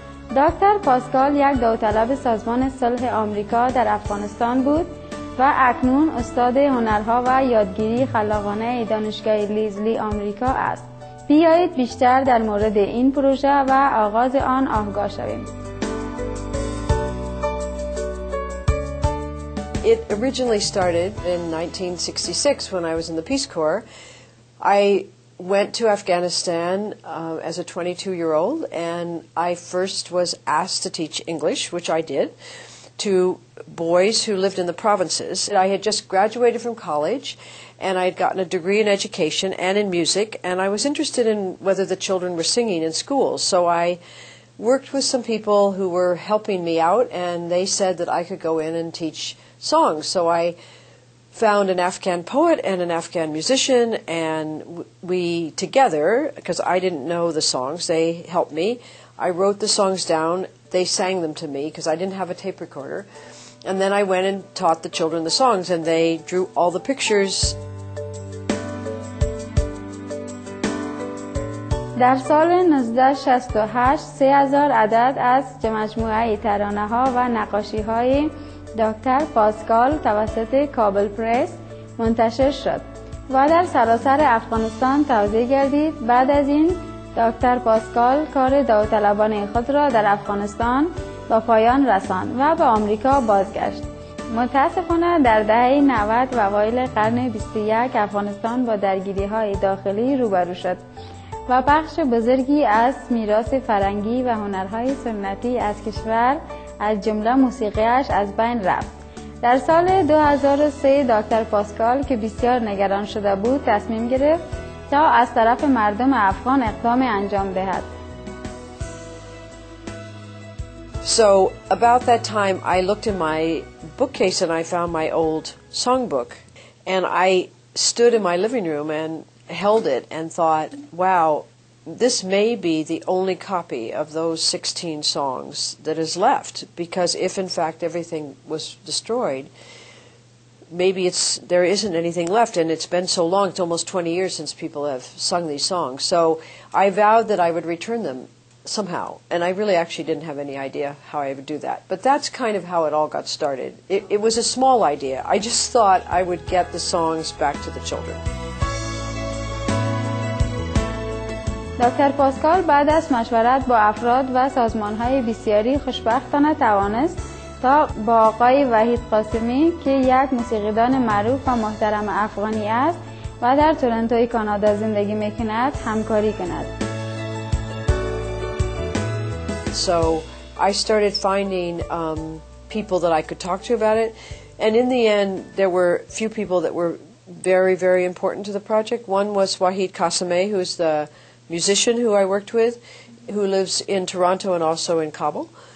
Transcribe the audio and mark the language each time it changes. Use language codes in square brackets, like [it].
[fa] دکتر پاسکال یک داوطلب سازمان صلح آمریکا در افغانستان بود و اکنون استاد هنرها و یادگیری خلاقانه دانشگاه لیزلی آمریکا است. بیایید بیشتر در مورد این پروژه و آغاز آن آگاه شویم. [en] It originally started in 1966 when I was in the Peace Corps. I went to Afghanistan as a 22-year-old and I first was asked to teach English, which I did, to boys who lived in the provinces. I had just graduated from college and I had gotten a degree in education and in music, and I was interested in whether the children were singing in schools. So I worked with some people who were helping me out, and they said that I could go in and teach songs. So I found an Afghan poet and an Afghan musician, and we together, because I didn't know the songs, they helped me. I wrote the songs down. They sang them to me because I didn't have a tape recorder. And then I went and taught the children the songs, and they drew all the pictures. [fa] در سال 1968 3000 عدد از مجموعه ترانه‌ها و نقاشی‌های دکتر پاسکال توسط کابل پرس منتشر شد و در سراسر افغانستان توزیع گردید. بعد از این دکتر پاسکال کار داوطلبان خود را در افغانستان با پایان رساند و به آمریکا بازگشت. متاسفانه در دهه 90 و اوایل قرن 21 افغانستان با درگیری‌های داخلی روبرو شد و بخش بزرگی از میراث فرهنگی و هنرهای سنتی از کشور از جمله موسیقی‌اش از بین رفت. در سال 2003 دکتر پاسکال که بسیار نگران شده بود تصمیم گرفت تا از طرف مردم افغان اقدام انجام دهد. [en] So about that time I looked in my bookcase and I found my old songbook, and I stood in my living room and held it and thought, wow, this may be the only copy of those 16 songs that is left, because if in fact everything was destroyed, maybe there isn't anything left, and it's been so long, it's almost 20 years since people have sung these songs. So I vowed that I would return them somehow, and I really actually didn't have any idea how I would do that. But that's kind of how it all got started. It was a small idea. I just thought I would get the songs back to the children. [fa] دکتر پاسکال بعد از مشورت با افراد و سازمان‌های بسیاری خوشبختانه توانست تا با آقای وحید قاسمی که یک موسیقیدان معروف و محترم افغانی است و در تورنتوی کانادا زندگی می‌کند همکاری کند. [en] So I started finding people that I could talk to about it, and in the end there were a few people that were very, very important to the project. One was Wahid Qasime, who is the musician who I worked with, who lives in Toronto and also in Kabul.